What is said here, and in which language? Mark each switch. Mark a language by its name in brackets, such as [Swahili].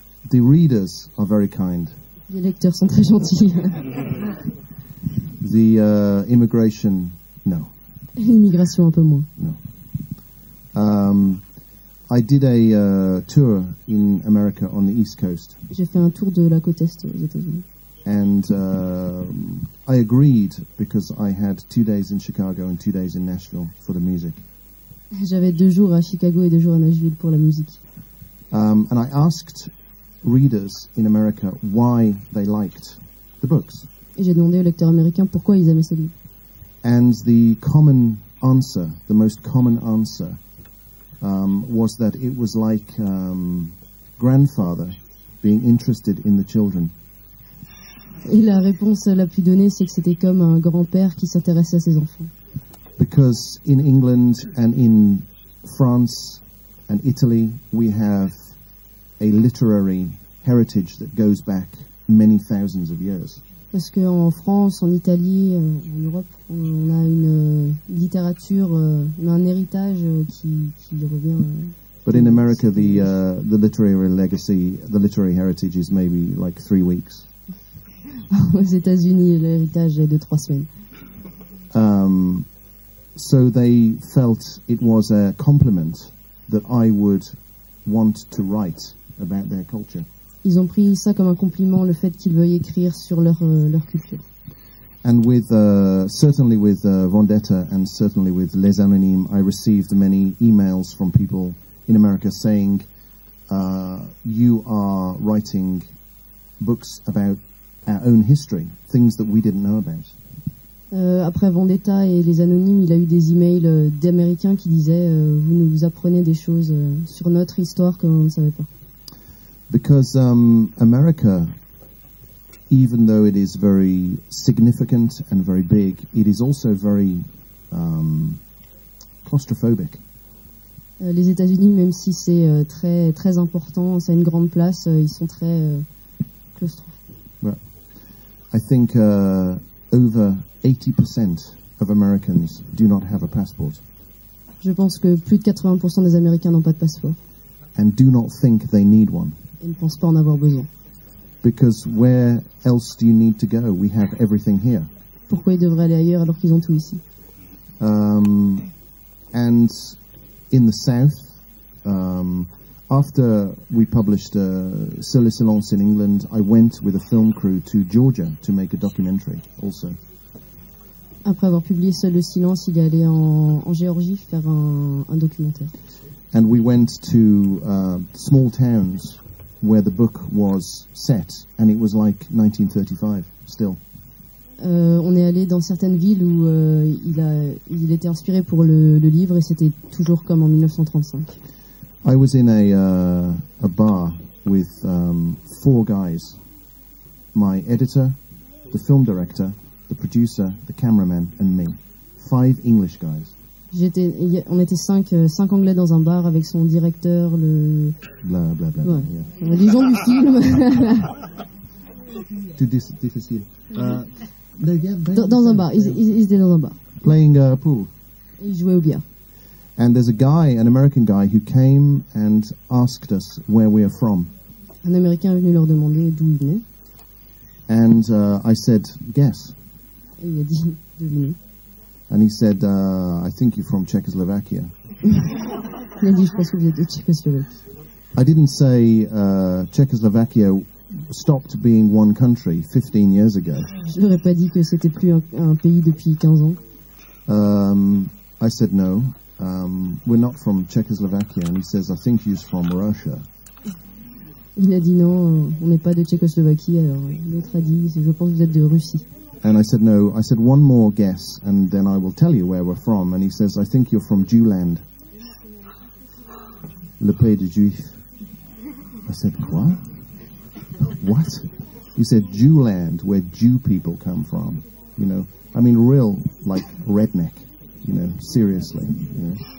[English] The readers are very kind. [French] Les lecteurs sont très gentils. [English] The immigration, no. [French] L'immigration, un peu moins. [English] No. I did a tour in America on the East Coast. [French] J'ai fait un tour de la côte est aux États-Unis. [English] And I agreed because I had 2 days in Chicago and 2 days in Nashville for the music. [French] J'avais 2 jours à Chicago et 2 jours à Nashville pour la musique. [English] And I asked readers in America why they liked the books. [French] Et j'ai demandé aux lecteurs américains pourquoi ils aimaient ces livres. [English] And the common answer, the most common answer, was that it was like grandfather being interested in the children. [French] Et la réponse la plus donnée, c'est que c'était comme un grand-père qui s'intéressait à ses enfants. [English] Because in England and in France and Italy, we have a literary heritage that goes back many thousands of years. [French] Parce que en France, en Italie, en Europe, on a une littérature, on a un héritage qui revient. [English] But in America, the literary legacy, the literary heritage is maybe like 3 weeks. [French] Aux États-Unis, l'héritage est de 3 semaines. [English] So they felt it was a compliment that I would want to write about their culture. [French] Ils ont pris ça comme un compliment, le fait qu'ils veuillent écrire sur leur culture. [English] And with certainly with Vendetta and certainly with Les Anonymes, I received many emails from people in America saying you are writing books about our own history, things that we didn't know about. [French] Après Vendetta et Les Anonymes, il a eu des emails d'Américains qui disaient vous nous apprenez des choses sur notre histoire que on ne savait pas. [English] Because America, even though it is very significant and very big, it is also very claustrophobic. [French] Les États-Unis, même si c'est très très important, ça a une grande place, ils sont très claustrophobes. [English] I think over 80% of Americans do not have a passport. [French] Je pense que plus de 80% des Américains n'ont pas de passeport. [English] And do not think they need one. [French] Ils ne pensent pas en avoir besoin. [English] Because where else do you need to go? We have everything here. [French] Pourquoi ils devraient aller ailleurs alors qu'ils ont tout ici? [English] And in the South, After we published Sur le silence in England, I went with a film crew to Georgia to make a documentary also. [French] Après avoir publié Seul le silence, il est allé en Géorgie faire un documentaire. [English] And we went to small towns where the book was set, and it was like 1935 still. [French] On est allé dans certaines villes où il était inspiré pour le livre, et c'était toujours comme en 1935. [English] I was in a bar with four guys, my editor, the film director, the producer, the cameraman, and me. Five English guys. [French] On était cinq Anglais dans un bar avec son directeur, le... Blablabla. Ouais. Yeah. Les gens du film. Difficile. Dans un bar. Ils étaient dans un bar. [English] Playing pool. [French] Ils jouaient au billard. [English] And there's a guy, an American guy, who came and asked us where we are from. [French] Un Américain est venu leur demander d'où ils venaient. [English] And I said, guess. [French] Et il a dit, devinez. [English] And he said, I think you're from Czechoslovakia. [French] Il a dit, je pense que vous êtes de Tchécoslovaquie. [English] I didn't say Czechoslovakia stopped being one country 15 years ago. [French] Je n'aurais pas dit que c'était plus un pays depuis 15 ans. [English] I said, no, we're not from Czechoslovakia. And he says, I think you're from Russia. [French] Il a dit, non, on n'est pas de Tchécoslovaquie. Alors, l'autre a dit, je pense que vous êtes de Russie. [English] And I said, no, I said, one more guess, and then I will tell you where we're from. And he says, I think you're from Jewland. [French] Le pays de Juif. [English] I said, [French] quoi? [English] What? He said, Jewland, where Jew people come from. You know, I mean, real, like, redneck, you know, seriously. You know?